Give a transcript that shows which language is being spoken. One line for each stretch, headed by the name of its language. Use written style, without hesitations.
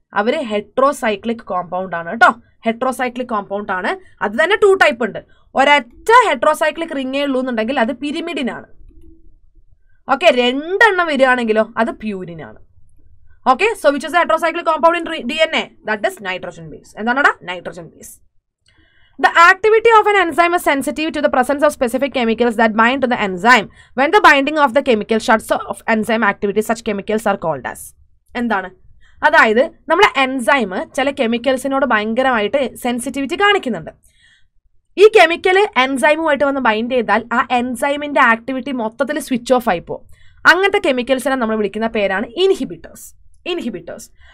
Malayalam: അവര് heterocyclic compound ആണ് കേട്ടോ, ഹെട്രോസൈക്ലിക് കോമ്പൗണ്ട് ആണ്. അത് തന്നെ ടു ടൈപ്പ് ഉണ്ട്. ഒരൊറ്റ ഹെട്രോസൈക്ലിക് റിങ്ങേ ഉള്ളൂ എന്നുണ്ടെങ്കിൽ അത് പിരിമിഡിനാണ്. ഓക്കെ, രണ്ടെണ്ണം വരികയാണെങ്കിലോ അത് പ്യൂരിനാണ്.
English: Okay, so which is heterocyclic compound in D N A? That is nitrogen base.
Malayalam: എന്താണടാ?
English: Nitrogen base. The activity of an enzyme is sensitive to the presence of specific chemicals that bind to the enzyme. When the binding of the chemical shuts off enzyme activity, such chemicals are called as.
Malayalam: എന്താണ്? അതായത് നമ്മുടെ enzyme ചില കെമിക്കൽസിനോട് ഭയങ്കരമായിട്ട് sensitivity കാണിക്കുന്നുണ്ട്. ഈ chemical എൻസൈമുമായിട്ട് വന്ന് bind ചെയ്താൽ ആ എൻസൈമിൻ്റെ ആക്ടിവിറ്റി മൊത്തത്തിൽ സ്വിച്ച് ഓഫ് ആയിപ്പോകും. അങ്ങനത്തെ കെമിക്കൽസിനെ നമ്മൾ വിളിക്കുന്ന പേരാണ് ഇൻഹിബിറ്റേഴ്സ്. ഇൻഹിബിറ്റേഴ്സ്.